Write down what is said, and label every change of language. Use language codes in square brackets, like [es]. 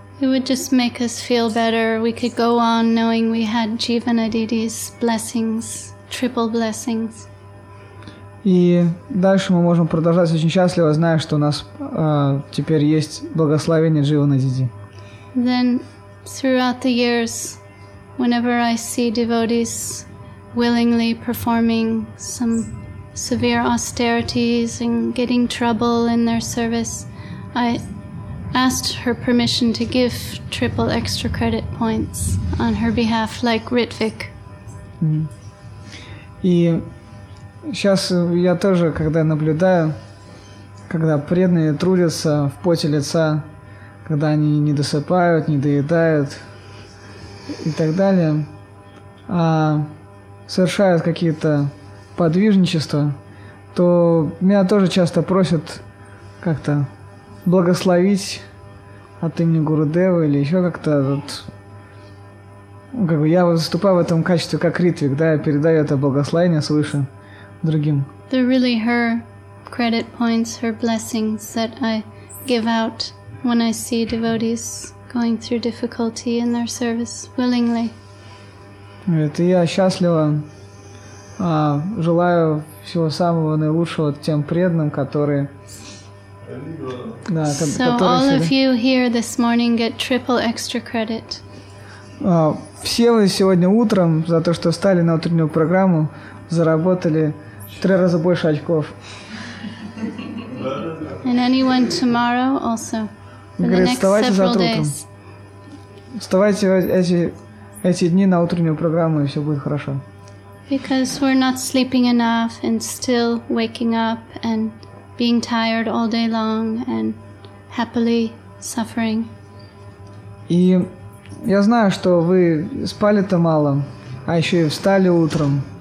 [en] It would just make us feel better. We could go on knowing we had Jivana Didi's blessings, triple blessings. [ru] И дальше мы можем продолжать очень счастливо, зная, что у нас теперь есть благословение Jivana Didi. [en] Then throughout the years, whenever I see devotees willingly performing some severe austerities and getting trouble in their service, I asked her permission to give triple extra credit points on her behalf, like Ritvik. Mm-hmm. [ru] И сейчас я тоже, когда наблюдаю, когда преданные трудятся в поте лица, когда они не досыпают, не доедают и так далее, а совершают какие-то подвижничество, то меня тоже часто просят как-то благословить от имени Гуру Девы или еще как-то вот, как бы я выступаю в этом качестве как Ритвик, да, я передаю это благословение свыше другим. [en] They're really her credit points, her blessings that I give out when I see devotees going through difficulty in their service willingly. [ru] Это я счастлива Желаю всего самого наилучшего тем преданным, которые... Да, [en] so [ru] которые [en] all of you here this morning get triple extra credit. [ru] Все вы сегодня утром за то, что встали на утреннюю программу, заработали в 3 раза больше очков. [en] And anyone tomorrow also. [ru] Говорит, вставайте завтра утром. Вставайте эти дни на утреннюю программу, и все будет хорошо. [en] Because we're not sleeping enough and still waking up and being tired all day long and happily suffering. [ru] И я знаю, что вы спали-то мало, а еще и встали утром.